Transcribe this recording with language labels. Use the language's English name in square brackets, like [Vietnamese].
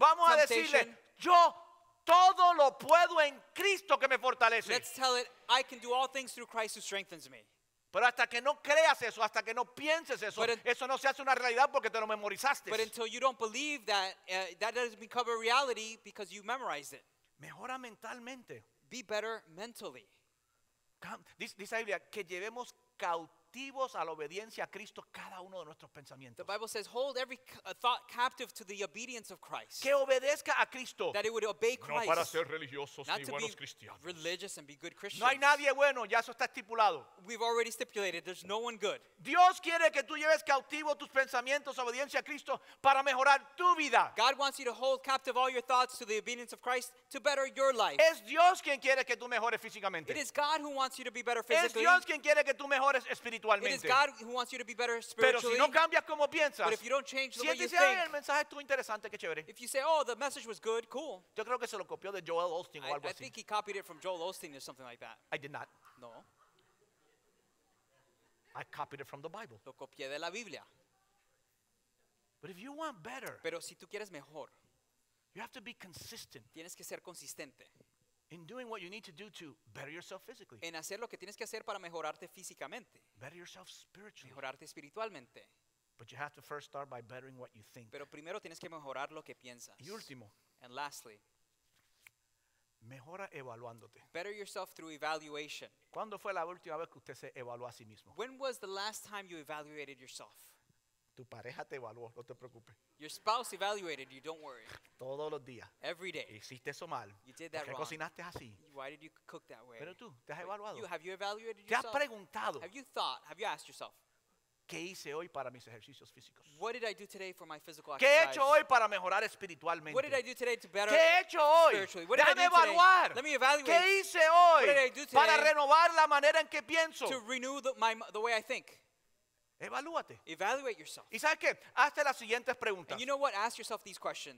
[Spanish] Vamos a decirle, yo todo lo puedo en Cristo que me fortalece. [English] Let's tell it, I can do all things through Christ who strengthens me. [Spanish] Pero hasta que no creas eso, hasta que no pienses eso, eso no se hace una realidad porque te lo memorizaste. [English] But until you don't believe that, that doesn't become a reality because you memorized it. [Spanish] Mejora mentalmente. [English] Be better mentally. [Spanish] Dice la Biblia que llevemos cautivos a la obediencia a Cristo cada uno de nuestros pensamientos. [English] The Bible says hold every thought captive to the obedience of Christ. [Spanish] Que obedezca a Cristo. [English] That it would obey Christ. [Spanish] No para ser religiosos ni buenos cristianos. [English] Not to be religious and be good Christians. [Spanish] No hay nadie bueno, ya eso está estipulado. [English] We've already stipulated there's no one good. [Spanish] Dios quiere que tú lleves cautivo tus pensamientos a obediencia a Cristo para mejorar tu vida. [English] God wants you to hold captive all your thoughts to the obedience of Christ to better your life. [Spanish] Es Dios quien quiere que tú mejores físicamente. [English] It is God who wants you to be better physically. [Spanish] Es Dios quien quiere que tú mejores espiritualmente. [English] It is God who wants you to be better spiritually. [Spanish] Pero si no cambias como piensas, [English] but if you don't change the [Spanish] si [English] way you think, [Spanish] el mensaje estuvo interesante, qué chévere. [English] If you say, oh, the message was good, cool. [Spanish] Yo creo que se lo copió de Joel Osteen o algo así. [English] I think he copied it from Joel Osteen or something like that. I did not. [Spanish] No. [English] I copied it from the Bible. [Spanish] Lo copié de la Biblia. [English] But if you want better, [Spanish] pero si tú quieres mejor, [English] you have to be consistent. [Spanish] Tienes que ser consistente. [English] In doing what you need to do to better yourself physically. [Spanish] En hacer lo que tienes que hacer para mejorarte físicamente. [English] Better yourself spiritually. [Spanish] Mejorarte espiritualmente. [English] But you have to first start by bettering what you think. [Spanish] Pero primero tienes que mejorar lo que piensas. Y último. [English] And lastly. [Spanish] Mejora evaluándote. [English] Better yourself through evaluation. [Spanish] ¿Cuándo fue la última vez que usted se evaluó a sí mismo? [English] When was the last time you evaluated yourself? [Spanish] Tu pareja te evaluó, no te preocupes. [English] Your spouse evaluated you, don't worry. [Spanish] Todos los días. [English] Every day. [Spanish] Hiciste eso mal. [English] You did that wrong. [Spanish] ¿Por qué cocinaste así? [English] Why did you cook that way? [Spanish] Pero tú, ¿te has evaluado? [English] You, have you evaluated yourself? [Spanish] ¿Te has preguntado? [English] Have you thought, have you asked yourself? [Spanish] ¿Qué hice hoy para mis ejercicios físicos? [English] What did I do today for my physical exercise? [Spanish] ¿Qué he hecho hoy para mejorar espiritualmente? [English] What did I do today to better [Spanish] ¿Qué he hecho hoy? [English] Spiritually? What [Spanish] Déjame [English] did I do [Spanish] evaluar. [English] Today? Let me evaluate. [Spanish] ¿Qué hice hoy? [English] What did I do today? [Spanish] Para renovar la manera en que pienso. [English] To renew the way I think. [Spanish] Evalúate. [English] Evaluate yourself. [Spanish] ¿Y sabes qué? Hazte las siguientes preguntas. [English] And you know what? Ask yourself these questions.